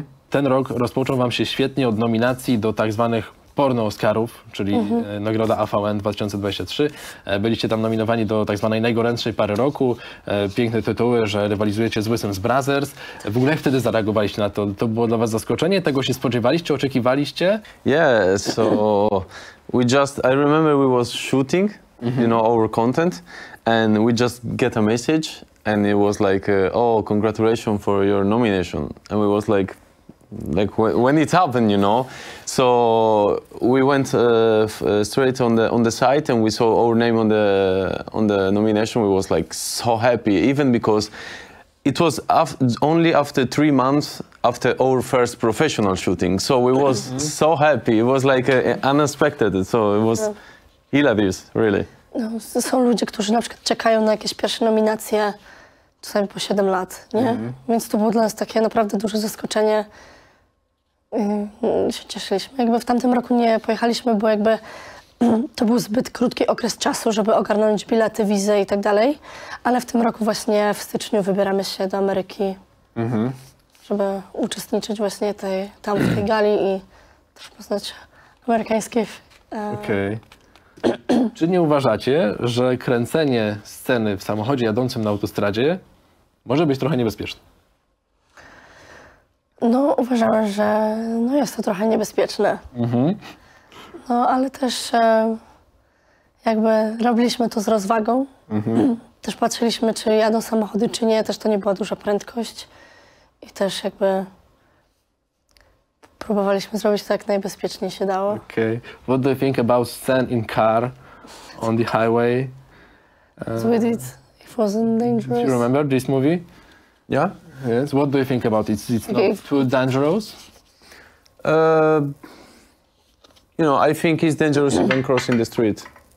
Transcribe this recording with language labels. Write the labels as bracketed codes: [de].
[pl] Ten rok rozpoczął wam się świetnie od nominacji do tak zwanych Porno Oscarów, czyli nagroda AVN 2023. Byliście tam nominowani do tak zwanej najgorętszej pary roku. Piękne tytuły, że rywalizujecie z Wysem z Brothers. W ogóle wtedy zareagowaliście na to? To było dla was zaskoczenie? Tego się spodziewaliście, oczekiwaliście? [en] Yeah, so I remember we was shooting, you know, our content, and we just get a message, and it was like, oh, congratulations for your nomination. And we was like, when it happened, you know, so we went straight on the site and we saw our name on the nomination. We was like so happy, even because it was only after 3 months after our first professional shooting. So we was so happy. It was like unexpected. So it was hilarious, really. [pl] No, są ludzie, którzy na przykład czekają na jakieś pierwsze nominacje czasami po 7 lat, nie? Więc to było dla nas takie naprawdę duże zaskoczenie. Się cieszyliśmy. Jakby w tamtym roku nie pojechaliśmy, bo jakby to był zbyt krótki okres czasu, żeby ogarnąć bilety, wizę i tak dalej. Ale w tym roku właśnie w styczniu wybieramy się do Ameryki, żeby uczestniczyć właśnie tamtej gali i też poznać amerykańskich. Okej. Czy nie uważacie, że kręcenie sceny w samochodzie jadącym na autostradzie może być trochę niebezpieczne? No, uważam, że no, jest to trochę niebezpieczne. No, ale też jakby robiliśmy to z rozwagą. Też patrzyliśmy, czy jadą samochody, czy nie. Też to nie była duża prędkość. I też jakby próbowaliśmy zrobić to, jak najbezpieczniej się dało. [en] Okay. What do you think about scene in car on the highway? With it, it wasn't dangerous. Do you remember this movie? Yeah. Yes. What do you think about it? It's not too dangerous. You know, I think it's dangerous even crossing the street.